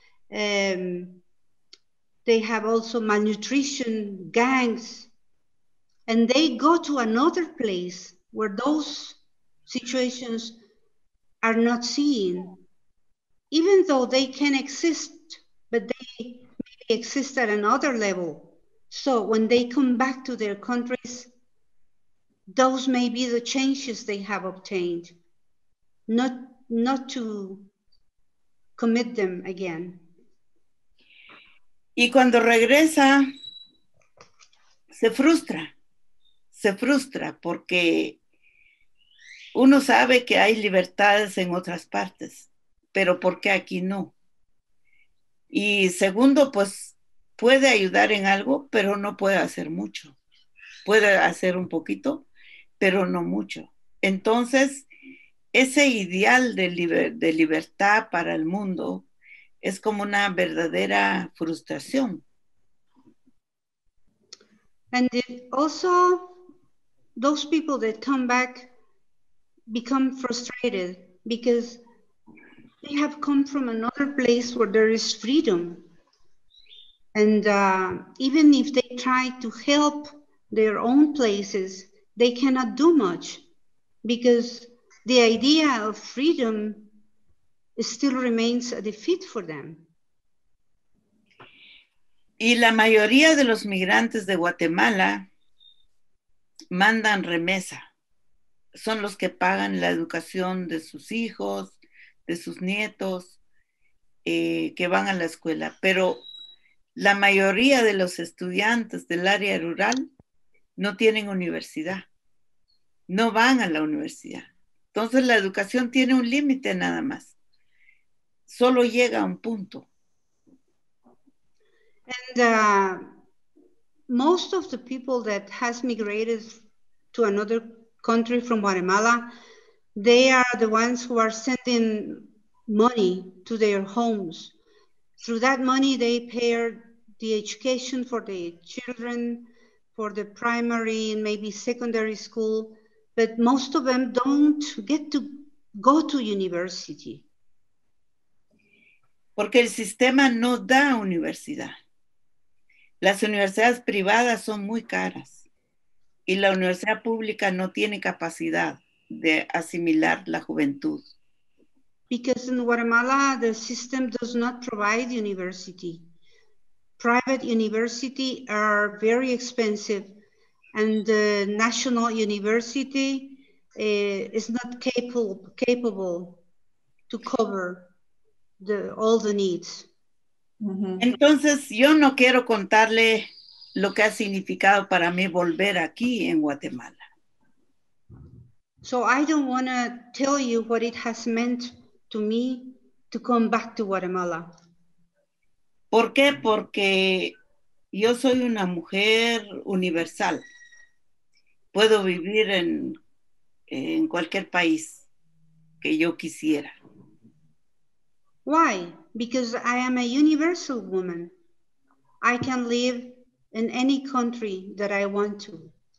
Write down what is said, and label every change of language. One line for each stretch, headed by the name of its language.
English: They have also malnutrition, gangs, and they go to another place where those situations are not seen, even though they can exist, but they maybe exist at another level. So when they come back to their countries, those may be the changes they have obtained, not to commit them again.
Spanish: Y cuando regresa, se frustra porque uno sabe que hay libertades en otras partes, pero ¿por qué aquí no? Y segundo, pues puede ayudar en algo, pero no puede hacer mucho. Puede hacer un poquito, pero no mucho. Entonces, ese ideal de libertad para el mundo es como una verdadera frustración.
English: And also, those people that come back become frustrated because they have come from another place where there is freedom. And even if they try to help their own places, they cannot do much because the idea of freedom still remains a defeat for them.
Spanish: Y la mayoría de los migrantes de Guatemala mandan remesa. Son los que pagan la educación de sus hijos, de sus nietos, que van a la escuela. Pero la mayoría de los estudiantes del área rural no tienen universidad. No van a la universidad. Entonces la educación tiene un límite nada más. Solo llega a un punto.
English: And most of the people that has migrated to another country from Guatemala, they are the ones who are sending money to their homes. Through that money, they pay the education for the children, for the primary and maybe secondary school, but most of them don't get to go to university.
Spanish: Porque el sistema no da universidad. Las universidades privadas son muy caras y la universidad pública no tiene capacidad de asimilar la juventud.
English: Because in Guatemala, the system does not provide university. Private universities are very expensive and the national university is not capable to cover all the needs. Mm-hmm.
Spanish: Entonces, yo no quiero contarle lo que ha significado para mí volver aquí en Guatemala.
English: So I don't want to tell you what it has meant to me to come back to Guatemala.
Spanish: ¿Por qué? Porque yo soy una mujer universal. Puedo vivir en cualquier país que yo quisiera.
English: Why? Because I am a universal woman. I can live in any country that I want to.